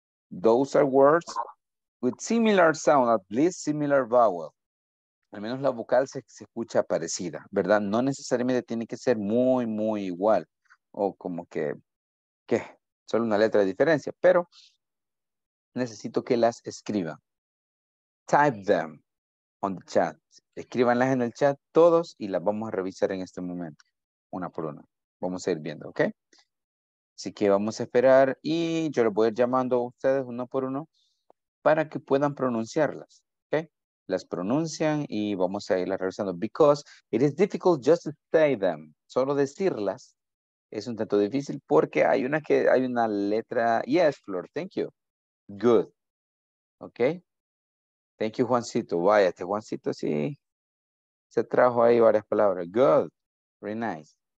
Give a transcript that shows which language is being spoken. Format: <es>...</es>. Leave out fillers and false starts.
<en>Those are words with similar sound, at least similar vowel.</en> <es>Al menos la vocal se escucha parecida, ¿verdad? No necesariamente tiene que ser muy, muy igual. O como que, ¿qué? Solo una letra de diferencia. Pero necesito que las escriban.</es> <en>Type them on the chat.</en> <es>Escríbanlas en el chat todos y las vamos a revisar en este momento. Una por una. Vamos a ir viendo, ¿ok? Así que vamos a esperar y yo les voy a ir llamando a ustedes uno por uno para que puedan pronunciarlas, ¿ok? Las pronuncian y vamos a irlas revisando.</es> <en>Because it is difficult just to say them.</en> <es>Solo decirlas es un tanto difícil porque hay una letra.</es> <en>Yes, Flor, thank you. Good. ¿Ok? Thank you, Juancito.</en> <es>Vaya, este Juancito sí se trajo ahí varias palabras.</es> <en>Good. Very nice.</en>